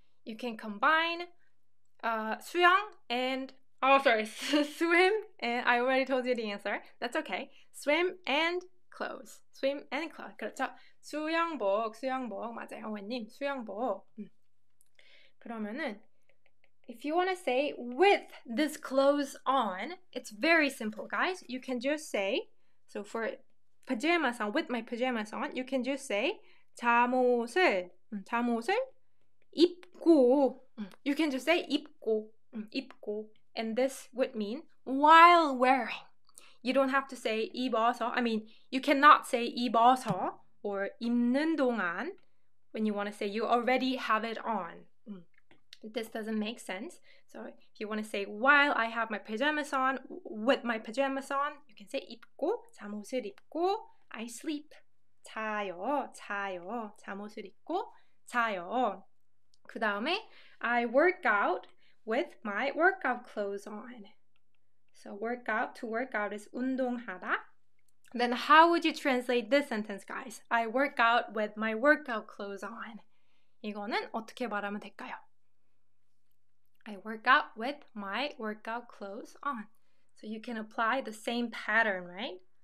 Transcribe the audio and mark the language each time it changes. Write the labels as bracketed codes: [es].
[en] You can combine 수영 and oh sorry swim and I already told you the answer. That's okay. Swim and clothes. Swim and clothes. [ko] 그렇죠? 수영복 맞아요, 오웬님 수영복. 그러면은 [en] if you want to say with this clothes on, it's very simple, guys. You can just say, so for pajamas on, with my pajamas on, you can just say [ko] 잠옷을 입고. [en] You can just say 입고. And this would mean while wearing. You don't have to say 입어서. I mean, you cannot say 입어서 or 입는 동안 when you want to say you already have it on. This doesn't make sense. So if you want to say while I have my pajamas on, with my pajamas on, you can say [ko] 입고, 잠옷을 입고, [en] I sleep. [ko] 자요. 잠옷을 입고 자요. 그다음에 [en] I work out with my workout clothes on. So to work out is 운동하다. Then how would you translate this sentence, guys? I work out with my workout clothes on. [ko] 이거는 어떻게 말하면 될까요? [en] I work out with my workout clothes on. So you can apply the same pattern, right?